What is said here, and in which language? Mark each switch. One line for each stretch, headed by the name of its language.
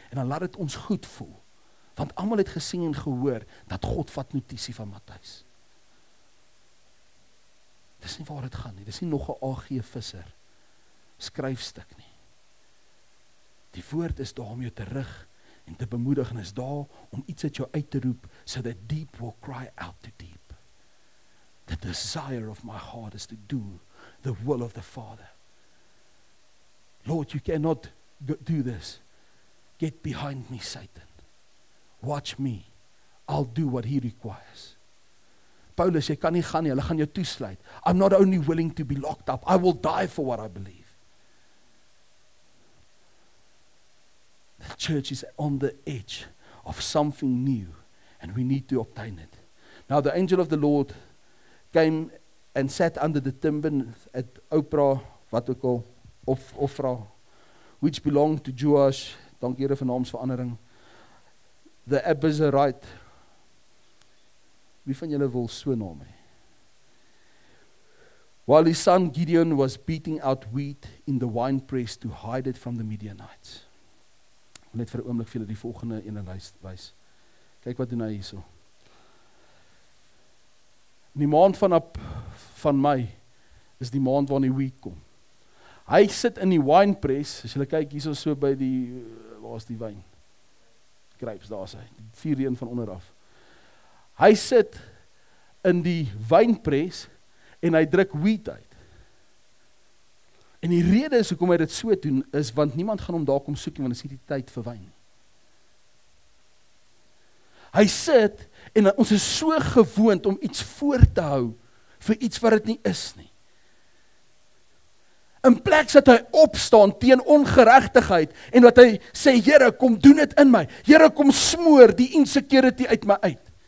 Afrikaans: En dan laat het ons goed voel. Want allemaal het gesien en gehoor dat God vat notitie van Matthys. Dis nie waar het gaan nie. Dis nie nog 'n AG Visser skryfstuk nie. Die woord is daar om jou te rig en te bemoedig en is daar om iets uit jou uit te roep
English: so that deep will cry out to deep. The desire of my heart is to do the will of the Father. Lord, you cannot do this. Get behind me, Satan. Watch me. I'll do what he requires.
Afrikaans: Paulus, jy kan nie gaan nie, hulle gaan jou toesluit.
English: I'm not only willing to be locked up. I will die for what I believe. The church is on the edge of something new and we need to obtain it. Now the angel of the Lord came and sat under the timber at Oprah,
Afrikaans: wat ook al,
English: Ophrah, which belonged to Joash,
Afrikaans: dank Here vir naamsverandering,
English: the Abizarite.
Afrikaans: Wie van julle wil so naam hê?
English: While his son Gideon was beating out wheat in the winepress to hide it from the Midianites.
Afrikaans: Net vir 'n oomblik vir julle die volgende ene wys. Kyk wat doen hy hierso. Die maand van Mei is die maand waarin die wheat kom. Hy sit in die winepress, as julle kyk hierso so by die, waar is die wyn? Grapes, daar is hy, die vier reën van onderaf. Hy sit in die winepress en hy druk wheat uit. En die rede is hoekom hy dit so doen, is want niemand gaan hom daar kom soek nie, want is hier die tyd vir wyn. Hy sit en ons is so gewoond om iets voor te hou vir iets wat het nie is nie. In plek dat hy opstaan teen ongeregtigheid en wat hy sê, Here, kom doen het in my. Here, kom smoor die insecurity uit my uit.